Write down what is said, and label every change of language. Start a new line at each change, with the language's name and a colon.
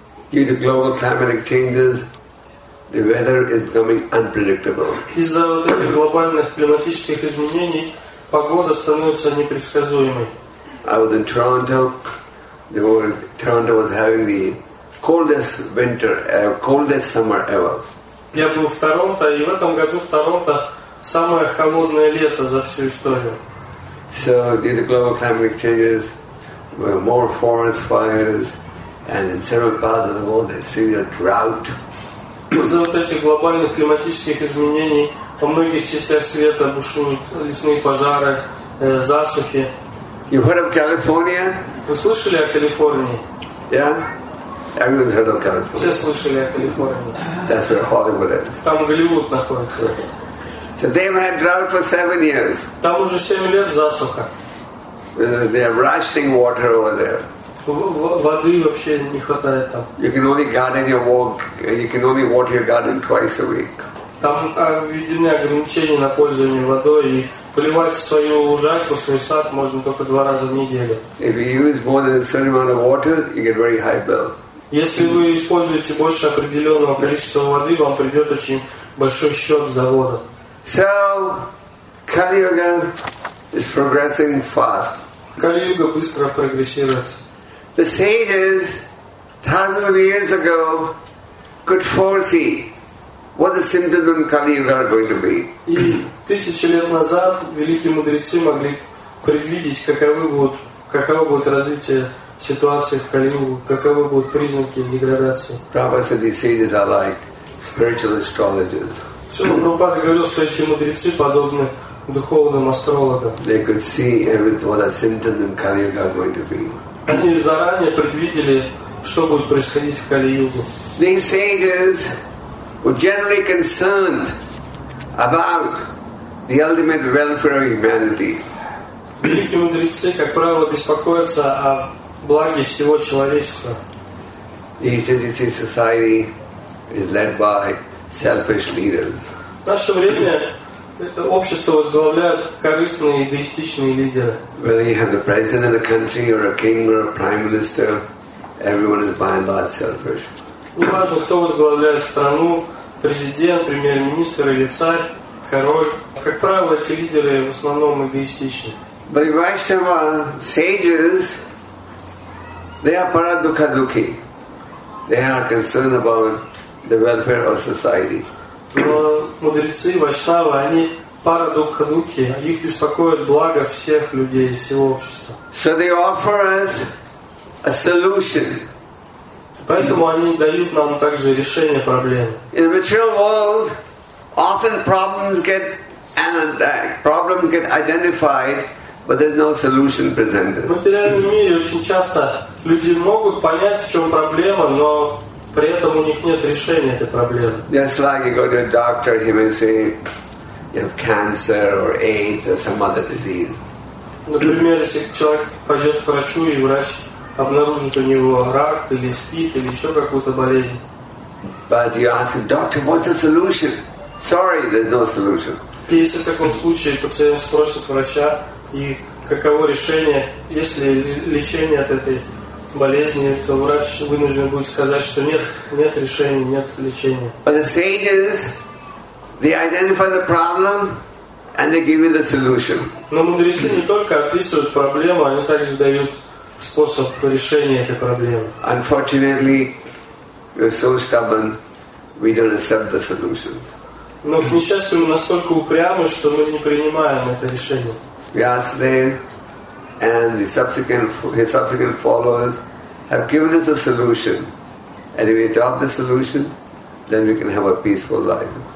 English: Due to global climatic changes, the weather is becoming unpredictable.
Russian: Из-за вот этих глобальных климатических изменений погода становится непредсказуемой.
English: I was in Toronto. Toronto was having the coldest winter, coldest summer ever.
Russian: Я был в Торонто, и в этом году в Торонто самое холодное лето за всю историю.
English: So due to global climate changes, there were more forest fires, and in several parts of the world there's severe drought.
Russian: Из-за вот этих глобальных климатических изменений во многих частях света бушуют лесные пожары, засухи.
English: You've heard of California?
Russian: Вы слышали о Калифорнии?
English: Yeah, everyone's heard of California.
Russian: Все слышали о Калифорнии.
English: That's where Hollywood is.
Russian: Там Голливуд находится.
English: So they've had drought for 7 years.
Russian: Там уже 7 лет засуха.
English: They are rationing water over there.
Russian: Воды вообще не хватает там.
English: You can only garden your walk. You can only water your garden twice a week.
Russian: Там введены ограничения на пользование водой, и поливать свою лужайку, свой сад можно только 2 раза в неделю.
English: If you use more than a certain amount of water, you get very high bill.
Russian: Если вы используете больше определенного количества воды, вам придет очень большой счет за воду.
English: So, Kali Yuga is progressing fast.
Russian: Kali Yuga быстро прогрессирует.
English: The sages, thousands of years ago, could foresee what the symptoms of Kali Yuga are going to be.
Russian: И тысячи лет назад великие мудрецы могли предвидеть, каково будет развитие ситуации в Кали Югу, каковы будут признаки деградации.
English: Prabhupada said these sages are like spiritual astrologers.
Russian: Прабхупада говорил, что эти мудрецы подобны духовным астрологам.
English: They could see everything what the symptoms of Kali Yuga are going to be.
Russian: Они заранее предвидели, что будет происходить в Кали-Югу.
English: These sages were generally concerned about the ultimate welfare of humanity.
Russian: Великие мудрецы, как правило, беспокоятся о благе всего человечества.
English: Each and every society is led by selfish leaders.
Russian: В наше время общество возглавляют корыстные, эгоистичные лидеры.
English: Whether you have the president of the country or a king or a prime minister, everyone is by and large selfish.
Russian: Неважно, кто возглавляет страну, президент, премьер-министр или царь, король. Как правило, эти лидеры в основном эгоистичны.
English: But in Vaishnava sages, they are paradukha-dukhi. They are concerned about the welfare of society.
Russian: Но мудрецы Вайшнава, они парадукха-дукхи, их беспокоит благо всех людей, всего общества.
English: So they offer us a solution.
Russian: Поэтому они дают нам также решение проблемы.
English: In the material world, often problems get identified, but there's no solution presented.
Russian: В материальном мире очень часто люди могут понять, в чем проблема, но при этом у них нет решения этой проблемы.
English: Just like you go to a doctor, he may say you have cancer or AIDS or some other disease.
Russian: Например, если человек пойдет к врачу и врач обнаружит у него рак или СПИД или еще какую-то болезнь.
English: But you ask him, doctor, what's the solution? Sorry, there's no solution.
Russian: Если в таком случае пациент спросит врача и каково решение, есть ли лечение от этой болезни, то врач вынужден будет сказать, что нет решения, нет лечения.
English: But the sages, they identify the problem and they give you the solution.
Russian: Но мудрецы не только описывают проблему, они также дают способ решения этой проблемы.
English: Unfortunately, we're so stubborn, we don't accept the solutions.
Russian: Но к несчастью, мы настолько упрямы, что мы не принимаем это решение.
English: Yes, and his subsequent followers have given us a solution. And if we adopt the solution, then we can have a peaceful life.